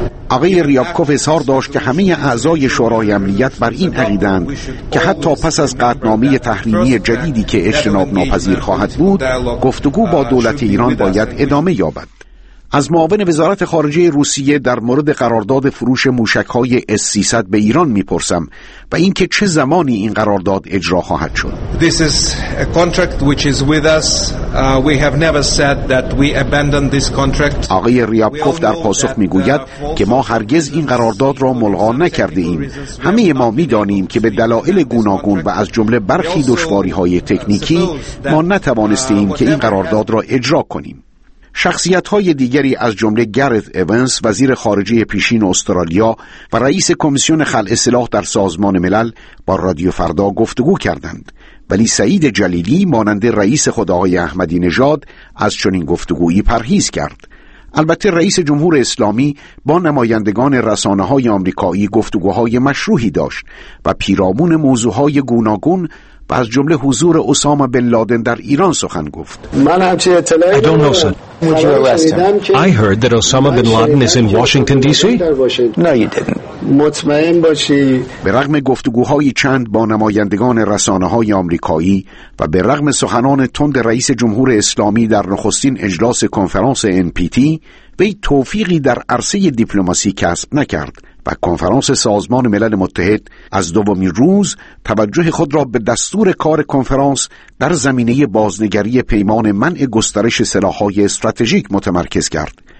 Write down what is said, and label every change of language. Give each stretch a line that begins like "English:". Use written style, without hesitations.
Persian: آقای ریابکوف اظهار داشت که همه اعضای شورای امنیت بر این عقیدند که حتی پس از قطعنامه تحریمی جدیدی که اجتناب ناپذیر خواهد بود، گفتگو با دولت ایران باید ادامه یابد. از معاون وزارت خارجه روسیه در مورد قرارداد فروش موشک‌های S-300 به ایران می‌پرسم و اینکه چه زمانی این قرارداد اجرا خواهد شد.
English: This is a contract which is with us. We have never said that we abandon this contract.
Persian: آقای ریابکوف در پاسخ می‌گوید که ما هرگز این قرارداد را ملغا نکرده‌ایم. همه ما می‌دانیم که به دلایل گوناگون و از جمله برخی دشواری‌های تکنیکی ما نتوانسته‌ایم که این قرارداد را اجرا کنیم. شخصیت‌های دیگری از جمله گرت ایونز وزیر خارجه پیشین استرالیا و رئیس کمیسیون خلع سلاح در سازمان ملل با رادیو فردا گفتگو کردند، ولی سعید جلیلی مانند رئیس خود آقای احمدی نژاد از چنین گفتگویی پرهیز کرد. البته رئیس جمهور اسلامی با نمایندگان رسانه‌های آمریکایی گفتگوهای مشروحی داشت و پیرامون موضوع‌های گوناگون و از جمله حضور اسامه بن لادن در ایران سخن گفت. من هم چه اطلاعی
English: دارم؟ I heard that Osama bin Laden is in Washington DC. No you didn't.
Persian: مطمئن باشی. به رغم گفتگوهای چند با نمایندگان رسانه‌های آمریکایی و به رغم سخنان تند رئیس جمهور اسلامی در نخستین اجلاس کنفرانس NPT، وی توفیقی در عرصه دیپلماسی کسب نکرد و کنفرانس سازمان ملل متحد از دومین روز توجه خود را به دستور کار کنفرانس در زمینه بازنگری پیمان منع گسترش سلاح‌های استراتژیک متمرکز کرد.